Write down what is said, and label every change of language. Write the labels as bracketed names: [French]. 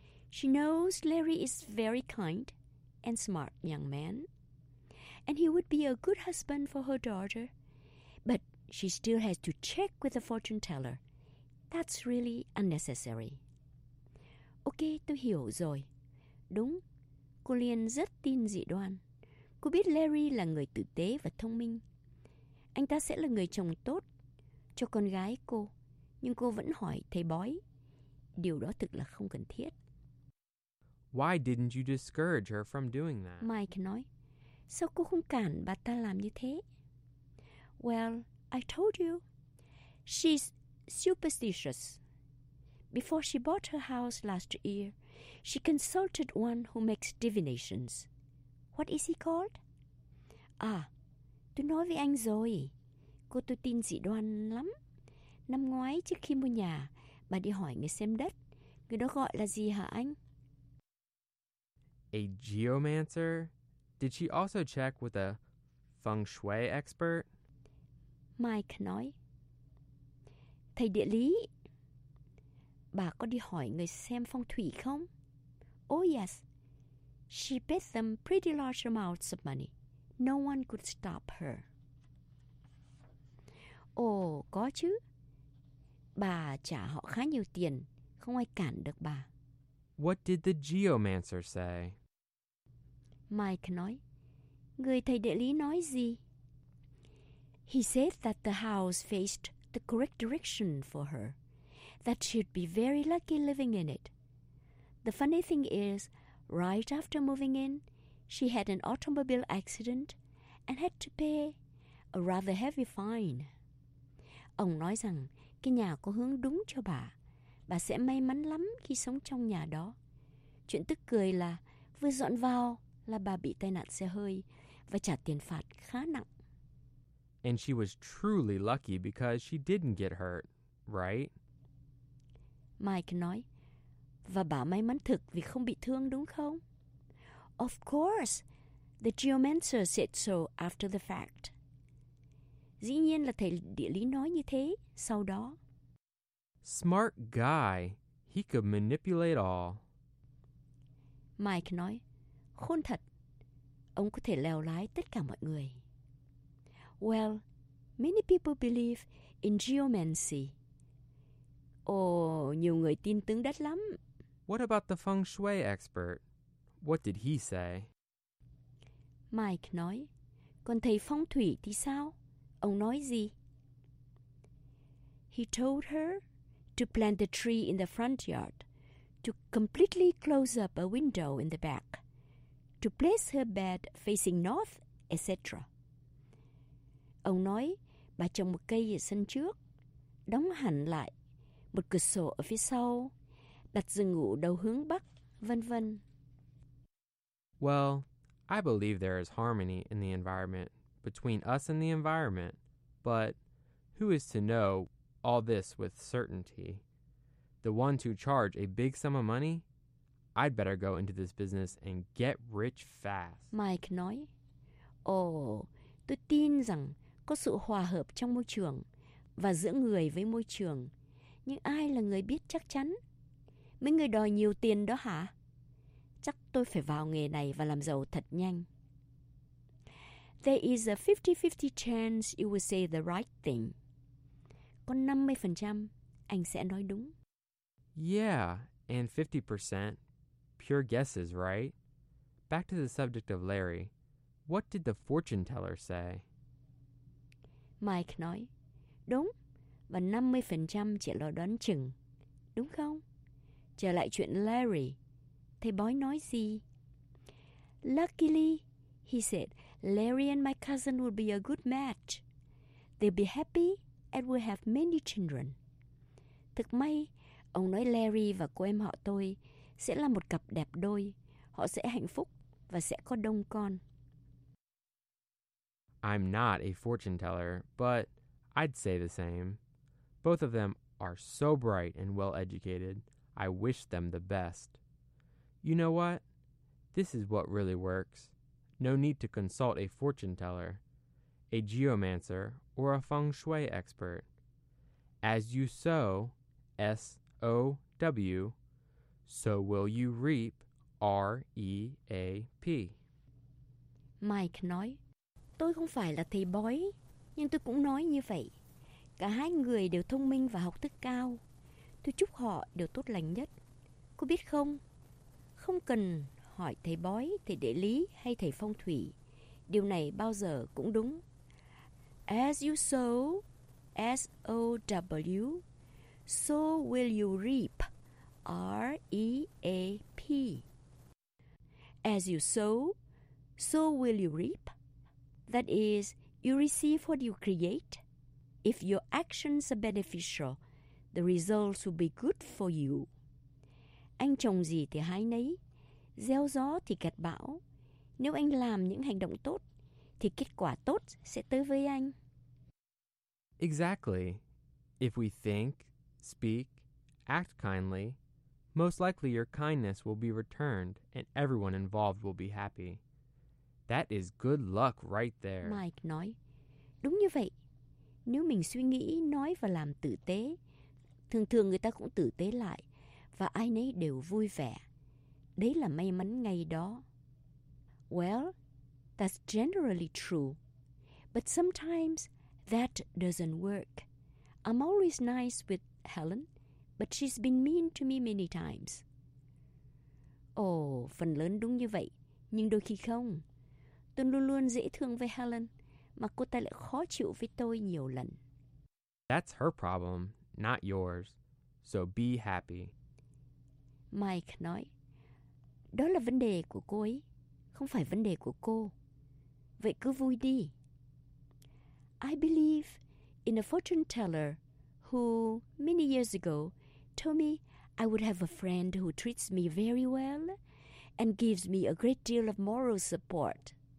[English] She knows Larry is very kind and smart young man. And he would be a good husband for her daughter. But she still has to check with the fortune teller. That's really unnecessary. Okay, [Vietnamese] tôi hiểu rồi. Đúng, cô Liên rất tin dị đoan. Cô biết Larry là người tử tế và thông minh. Anh ta sẽ là người chồng tốt cho con gái cô. Nhưng cô vẫn hỏi thầy bói. Điều đó thực là không cần thiết. [English] Why didn't you discourage her from doing that? [Vietnamese] Mike nói, sao cô không cản bà ta làm như thế? [English] Well, I told you. She's superstitious. Before she bought her house last year, she consulted one who makes divinations. What is he called? [Vietnamese] À, tôi nói với anh rồi. Cô tôi tin dị đoan lắm. Năm ngoái trước khi mua nhà, bà đi hỏi người xem đất. Người đó gọi là gì hả anh? [English] A geomancer? Did she also check with a feng shui expert? [Vietnamese] Mike nói, Thầy địa lý, bà có đi hỏi người xem phong thủy không? [English] Oh yes, she paid them pretty large amounts of money. No one could stop her. [Vietnamese] Oh, có chứ. Bà trả họ khá nhiều tiền, không ai cản được bà. [English] What did the geomancer say? [Vietnamese] Mike nói, người thầy địa lý nói gì? [English] He said that the house faced the correct direction for her, that she'd be very lucky living in it. The funny thing is, right after moving in, she had an automobile accident and had to pay a rather heavy fine. [Vietnamese] Ông nói rằng cái nhà có hướng đúng cho bà. Bà sẽ may mắn lắm khi sống trong nhà đó. Chuyện tức cười là vừa dọn vào là bà bị tai nạn xe hơi và trả tiền phạt khá nặng. [English] And she was truly lucky because she didn't get hurt, right? [Vietnamese] Mike nói, và bà may mắn thực vì không bị thương đúng không? [English] Of course, the geomancer said so after the fact. [Vietnamese] Dĩ nhiên là thầy địa lý nói như thế sau đó. [English] Smart guy, he could manipulate all. [Vietnamese] Mike nói, khôn thật, ông có thể lèo lái tất cả mọi người. [English] Well, many people believe in geomancy. [Vietnamese] Oh, nhiều người tin tướng đất lắm. [English] What about the feng shui expert? What did he say? [Vietnamese] Mike nói, còn thầy phong thủy thì sao? Ông nói gì? [English] He told her to plant the tree in the front yard, to completely close up a window in the back, to place her bed facing north, etc. [Vietnamese] Ông nói, bà trồng một cây ở sân trước, đóng hẳn lại một cửa sổ ở phía sau, đặt giường ngủ đầu hướng bắc, vân vân. [English] Well, I believe there is harmony in the environment, between us and the environment. But Who is to know all this with certainty? The one to charge a big sum of money? I'd better go into this business and get rich fast. [Vietnamese] Mike nói, tôi tin rằng có sự hòa hợp trong môi trường và giữa người với môi trường. Nhưng ai là người biết chắc chắn? Mấy người đòi nhiều tiền đó hả? Chắc tôi phải vào nghề này và làm giàu thật nhanh. [English] There is a 50-50 chance you will say the right thing. [Vietnamese] Có 50% anh sẽ nói đúng. [English] Yeah, and 50% pure guesses, right? Back to the subject of Larry. What did the fortune teller say? [Vietnamese] Mike nói, đúng, và 50% chỉ là đoán chừng, đúng không? Trở lại chuyện Larry, thầy bói nói gì? [English] Luckily, he said, Larry and my cousin would be a good match. They'll be happy and will have many children. [Vietnamese] Thực may, ông nói Larry và cô em họ tôi sẽ là một cặp đẹp đôi. Họ sẽ hạnh phúc và sẽ có đông con. [English] I'm not a fortune teller, but I'd say the same. Both of them are so bright and well-educated. I wish them the best. You know what? This is what really works. No need to consult a fortune teller, a geomancer, or a feng shui expert. As you sow, S-O-W, so will you reap, R-E-A-P. [Vietnamese] Mike nói, tôi không phải là thầy bói, nhưng tôi cũng nói như vậy. Cả hai người đều thông minh và học thức cao. Tôi chúc họ đều tốt lành nhất. Cô biết không? Không cần hỏi thầy bói, thầy địa lý hay thầy phong thủy. Điều này bao giờ cũng đúng. [English] As you sow, S-O-W, so will you reap, R-E-A-P. As you sow, so will you reap. That is, you receive what you create. If your actions are beneficial, the results will be good for you. [Vietnamese] Anh trồng gì thì hái nấy. Gieo gió thì gặt bão. Nếu anh làm những hành động tốt, thì kết quả tốt sẽ tới với anh. [English] Exactly. If we think, speak, act kindly, most likely your kindness will be returned and everyone involved will be happy. That is good luck right there. [Vietnamese] Mike nói, đúng như vậy. Nếu mình suy nghĩ, nói và làm tử tế, thường thường người ta cũng tử tế lại và ai nấy đều vui vẻ. Đấy là may mắn ngay đó. [English] Well, that's generally true. But sometimes that doesn't work. I'm always nice with Helen, but she's been mean to me many times. [Vietnamese] Phần lớn đúng như vậy, nhưng đôi khi không. Tôi luôn luôn dễ thương với Helen, mà cô ta lại khó chịu với tôi nhiều lần. [English] That's her problem, not yours. So be happy. [Vietnamese] Mike nói, đó là vấn đề của cô ấy, không phải vấn đề của cô. Vậy cứ vui đi. [English] I believe in a fortune teller who, many years ago, told me I would have a friend who treats me very well and gives me a great deal of moral support.